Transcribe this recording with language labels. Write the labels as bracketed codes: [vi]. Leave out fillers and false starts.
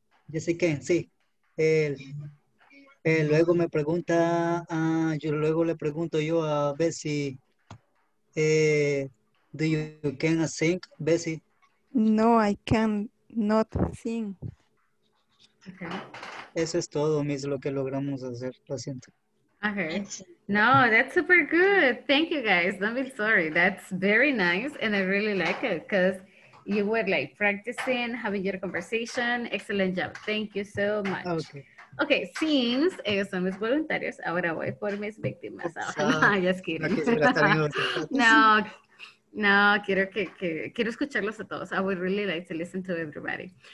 [en] Yes, I can, [es] sí. Luego me pregunta, yo le pregunto a Bessie, [en] do you can sing, [es] Bessie? [en] No, I can not sing. Okay. [es] Eso es todo, Miss, lo que logramos hacer, lo siento. [en] Okay. No, that's super good. Thank you, guys. Don't be sorry. That's very nice, and I really like it because you were like practicing, having your conversation. Excellent job. Thank you so much. Okay. Okay, since [es] ellos son mis voluntarios, ahora voy por mis víctimas. [en] Just kidding. [es] No, quiero escucharlos a todos. [en] I would really like to listen to everybody.